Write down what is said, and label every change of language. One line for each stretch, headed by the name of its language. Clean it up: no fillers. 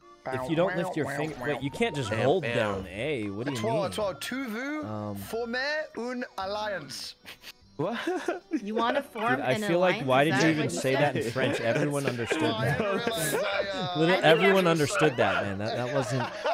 English: If you don't lift your finger, wait, you can't just hold down A. What do you mean?
French: Tuvu, formez une alliance.
English: What? You want to form an alliance? I feel like, why did you even say that in French? Everyone understood that. Everyone understood that, man. That wasn't.